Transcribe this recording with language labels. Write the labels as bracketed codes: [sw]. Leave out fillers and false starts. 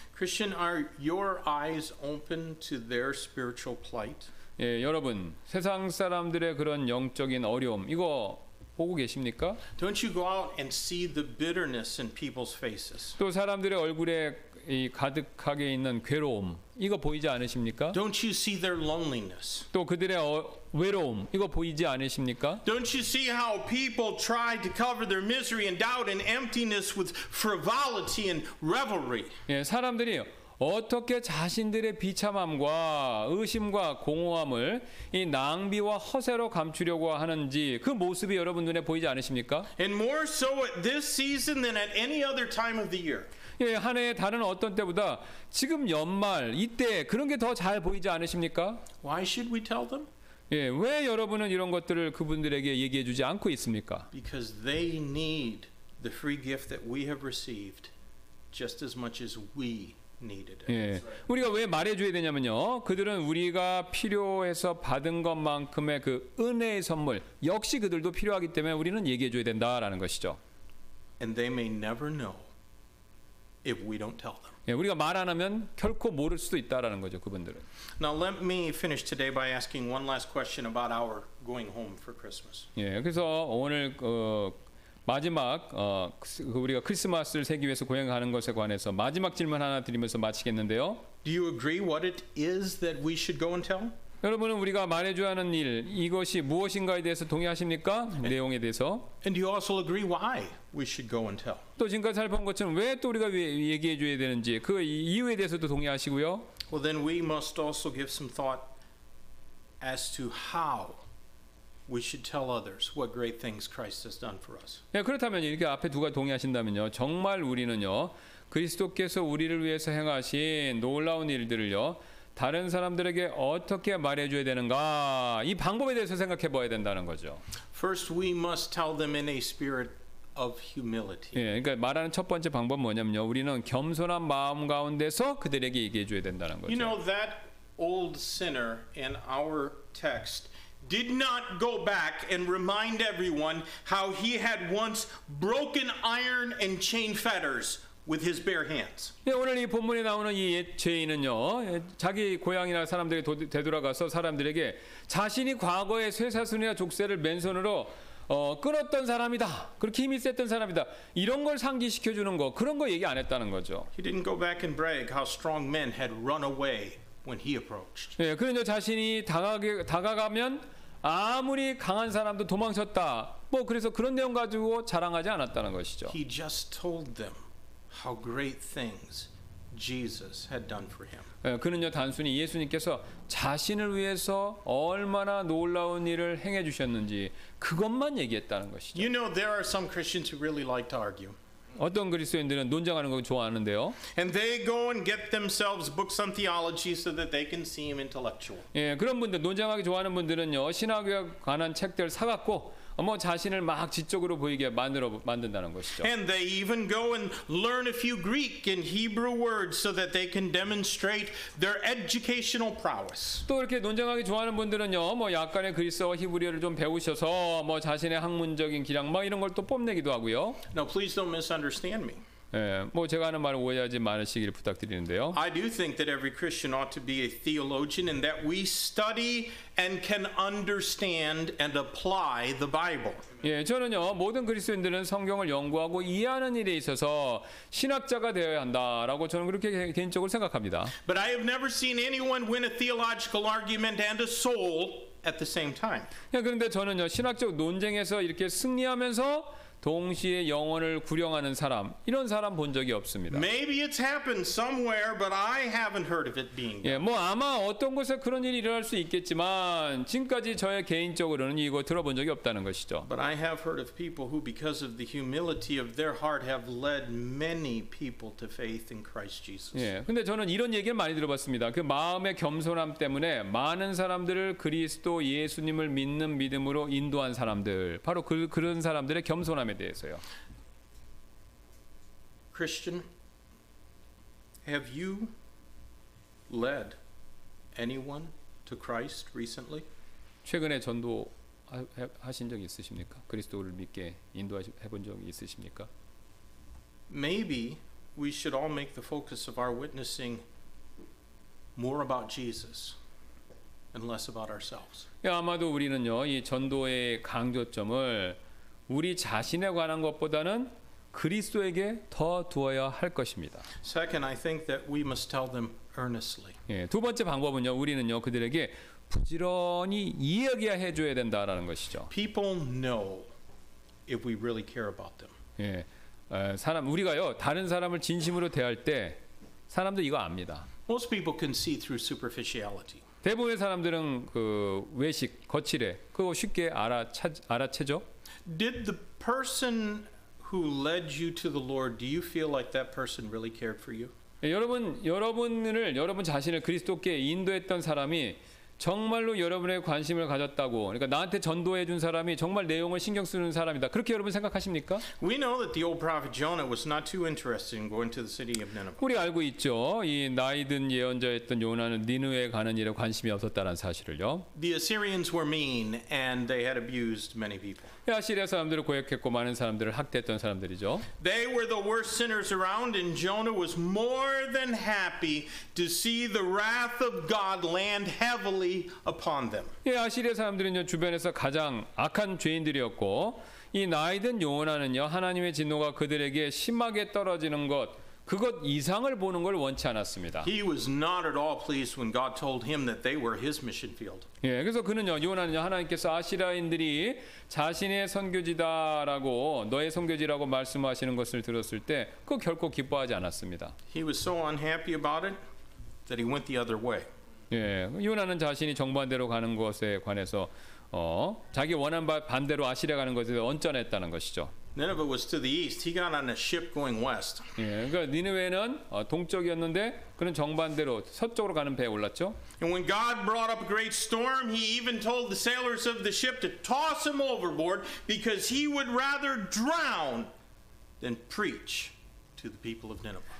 [en] Christian, are your eyes open to their spiritual plight? [ko] 예, 여러분, 세상 사람들의 그런 영적인 어려움 이거 보고 계십니까? [en] Don't you go out and see the bitterness in people's faces? [ko] 또 사람들의 얼굴에 이 가득하게 있는 괴로움 이거 보이지 않으십니까? [en] Don't you see their loneliness? [ko] 또 그들의 외로움 이거 보이지 않으십니까? [en] Don't you see how people try to cover their misery and doubt and emptiness with frivolity and revelry? [ko] 예, 사람들이 어떻게 자신들의 비참함과 의심과 공허함을 이 낭비와 허세로 감추려고 하는지 그 모습이 여러분 눈에 보이지 않으십니까? [en] And more so at this season than at any other time of the year. [ko] 예, 한 해의 다른 어떤 때보다 지금 연말 이때 그런 게 더 잘 보이지 않으십니까? [en] Why should we tell them? [ko] 예, 왜 여러분은 이런 것들을 그분들에게 얘기해 주지 않고 있습니까? [en] Because they need the free gift that we have received just as much as we needed it. [ko] 예, 우리가 왜 말해 줘야 되냐면요. 그들은 우리가 필요해서 받은 것만큼의 그 은혜의 선물 역시 그들도 필요하기 때문에 우리는 얘기해 줘야 된다라는 것이죠. [en] And they may never know if we don't tell them. [ko] 예, 우리가 말 안 하면 결코 모를 수도 있다라는 거죠, 그분들은. [en] Now let me finish today by asking one last question about our going home for Christmas. [ko] 예, 그래서 오늘 마지막 우리가 크리스마스를 새기 위해서 고향 가는 것에 관해서 마지막 질문 하나 드리면서 마치겠는데요. [en] Do you agree what it is that we should go and tell? [ko] 여러분은 우리가 말해 줘야 하는 일 이것이 무엇인가에 대해서 동의하십니까? 내용에 대해서. [en] And you also agree why we should go and tell. [ko] 또 지금까지 살펴본 것처럼 왜 또 우리가 얘기해 줘야 되는지 그 이유에 대해서도 동의하시고요. [en] Well, then we must also give some thought as to how we should tell others what great things Christ has done for us. [ko] 예, 그렇다면 이렇게 앞에 두 가지 동의하신다면요. 정말 우리는요. 그리스도께서 우리를 위해서 행하신 놀라운 일들을요. 다른 사람들에게 어떻게 말해 줘야 되는가? 이 방법에 대해서 생각해 봐야 된다는 거죠. [en] First we must tell them in a spirit of humility. [ko] 예, 그러니까 말하는 첫 번째 방법 뭐냐면요. 우리는 겸손한 마음 가운데서 그들에게 얘기해 줘야 된다는 거죠. [en] You know that old sinner in our text did not go back and remind everyone how he had once broken iron and chain fetters. With his bare hands. [ko] 예, 오늘 이 본문에 나오는 이 죄인은요, 자기 고향이나 사람들이 되돌아가서 사람들에게 자신이 과거에 쇠사슬이나 족쇄를 맨손으로 끊었던 사람이다. 그렇게 힘이 셌던 사람이다. 이런 걸 상기시켜 주는 거, 그런 거 얘기 안 했다는 거죠. [en] He didn't go back and brag how strong men had run away when he approached. [ko] 예, 그런데 자신이 다가가면 아무리 강한 사람도 도망쳤다. 뭐 그래서 그런 내용 가지고 자랑하지 않았다는 것이죠. [en] He just told them how great things Jesus had done for him. [ko] 예, 그는요 단순히 예수님께서 자신을 위해서 얼마나 놀라운 일을 행해 주셨는지 그것만 얘기했다는 것이죠. [en] You know there are some Christians who really like to argue. [ko] 어떤 그리스도인들은 논쟁하는 걸 좋아하는데요. [en] And they go and get themselves books on theology so that they can seem intellectual. [ko] 예, 그런 분들 논쟁하기 좋아하는 분들은요. 신학에 관한 책들 사 갖고 뭐 자신을 막 지적으로 보이게 만든다는 것이죠. [en] And they even go and learn a few Greek and Hebrew words so that they can demonstrate their educational prowess. [ko] 또 이렇게 논쟁하기 좋아하는 분들은요, 뭐 약간의 그리스어, 히브리어를 좀 배우셔서 뭐 자신의 학문적인 기량 막 이런 걸 또 뽐내기도 하고요. [en] Now please don't misunderstand me. [ko] 예, 뭐 제가 하는 말을 오해하지 마시기를 부탁드리는데요. [en] I do think that every Christian ought to be a theologian and that we study and can understand and apply the Bible. [ko] 예, 저는요 모든 그리스도인들은 성경을 연구하고 이해하는 일에 있어서 신학자가 되어야 한다라고 저는 그렇게 개인적으로 생각합니다. [en] But I have never seen anyone win a theological argument and a soul at the same time. [ko] 예, 그런데 저는요 신학적 논쟁에서 이렇게 승리하면서 동시에 영혼을 구령하는 사람 이런 사람 본 적이 없습니다. [en] Maybe it's happened somewhere, but I haven't heard of it being. [ko] 예, 뭐 아마 어떤 곳에 그런 일이 일어날 수 있겠지만 지금까지 저의 개인적으로는 이거 들어본 적이 없다는 것이죠. [en] But I have heard of people who, because of the humility of their heart, have led many people to faith in Christ Jesus. [ko] 예, 근데 저는 이런 얘기를 많이 들어봤습니다. 그 마음의 겸손함 때문에 많은 사람들을 그리스도 예수님을 믿는 믿음으로 인도한 사람들, 바로 그런 사람들의 겸손함. [en] Christian, have you led anyone to Christ recently? [ko] 최근에 전도 하신 적 있으십니까? 그리스도를 믿게 인도 해본 적 있으십니까? [en] Maybe we should all make the focus of our witnessing more about Jesus and less about ourselves. [ko] 예, 아마도 우리는요 이 전도의 강조점을 우리 자신에 관한 것보다는 그리스도에게 더 두어야 할 것입니다. [en] Second, I think that we must tell them earnestly. [ko] 예, 두 번째 방법은요. 우리는요 그들에게 부지런히 이야기해 줘야 된다라는 것이죠. [en] People know if we really care about them. [ko] 예. 사람 우리가요 다른 사람을 진심으로 대할 때 사람도 이거 압니다. [en] Most people can see through superficiality. [ko] 대부분의 사람들은 그 외식, 거칠에 그거 쉽게 알아채죠. [en] Did the person who led you to the Lord, do you feel like that person really cared for you? [ko] 여러분을 여러분 자신을 그리스도께 인도했던 사람이 정말로 여러분의 관심을 가졌다고 그러니까 나한테 전도해 준 사람이 정말 내용을 신경 쓰는 사람이다. 그렇게 여러분 생각하십니까? [en] We know that the old prophet Jonah was not too interested in going to the city of Nineveh. [ko] 우리 알고 있죠. 이 나이든 예언자였던 요나는 니느웨 가는 일에 관심이 없었다는 사실을요. [en] The Assyrians were mean and they had abused many people. [ko] 아시리아 사람들을 고역했고 많은 사람들을 학대했던 사람들이죠. [en] They were the worst sinners around and Jonah was more than happy to see the wrath of God land heavily upon them. [ko] 예, 아시리아 사람들은요 주변에서 가장 악한 죄인들이었고 이 나이든 요나는요 하나님의 진노가 그들에게 심하게 떨어지는 것 그것 이상을 보는 걸 원치 않았습니다. [en] He was not at all pleased when God told him that they were his mission field. [ko] 예, 그래서 그는요, 요나는요, 하나님께서 아시라인들이 자신의 선교지다라고 너의 선교지라고 말씀하시는 것을 들었을 때 그 결코 기뻐하지 않았습니다. [en] He was so unhappy about it that he went the other way. [ko] 예, 요나는 자신이 정반대로 가는 것에 관해서 자기 원한 반대로 아시라 가는 것에 언짢했다는 것이죠. [en] Nineveh was to the east. He got on a ship going west. [ko] 예, 그러니까 니느웨는 동쪽이었는데 그는 정반대로 서쪽으로 가는 배에 올랐죠. [en] And when God brought up a great storm, he even told the sailors of the ship to toss him overboard because he would rather drown than preach to the people of Nineveh.